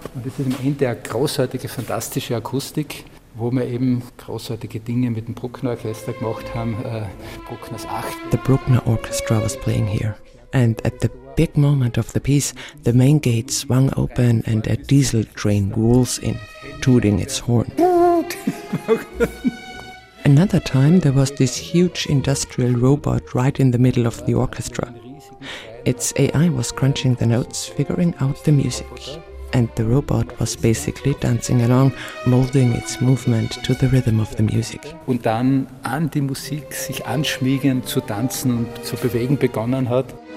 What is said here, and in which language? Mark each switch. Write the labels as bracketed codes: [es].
[de] Und es ist am Ende eine großartige, fantastische Akustik, wo wir eben großartige Dinge mit dem Bruckner Orchester gemacht haben, Bruckners 8. [en] The Bruckner Orchestra was playing here. And at the big moment of the piece, the main gate swung open and a diesel train rolls in, tooting its horn. Another time there was this huge industrial robot right in the middle of the orchestra. Its AI was crunching the notes, figuring out the music. And the robot was basically dancing along, molding its movement to the rhythm of the music. [de] Und dann an die Musik sich anschmiegend zu tanzen und zu bewegen begonnen hat.